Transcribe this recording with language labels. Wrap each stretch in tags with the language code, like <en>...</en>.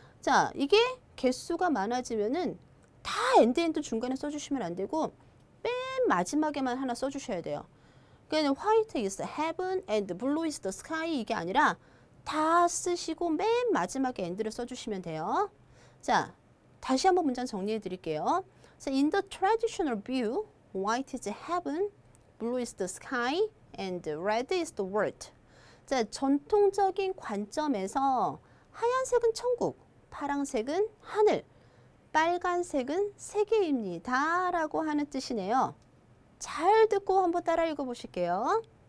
<ko>자, 이게 개수가 많아지면은 다 엔드엔드 중간에 써주시면 안 되고 맨 마지막에만 하나 써주셔야 돼요. 그러니까</ko> <en>white is the heaven and blue is the sky</en> <ko>이게 아니라 다 쓰시고 맨 마지막에 엔드를 써주시면 돼요. 자, 다시 한번 문장 정리해 드릴게요.</ko> <en>So in the traditional view, white is heaven, blue is the sky, and red is the world.</en> <ko>자, 전통적인 관점에서 하얀색은 천국, 파란색은 하늘, 빨간색은 세계입니다. 라고 하는 뜻이네요. 잘 듣고 한번 따라 읽어 보실게요.</ko>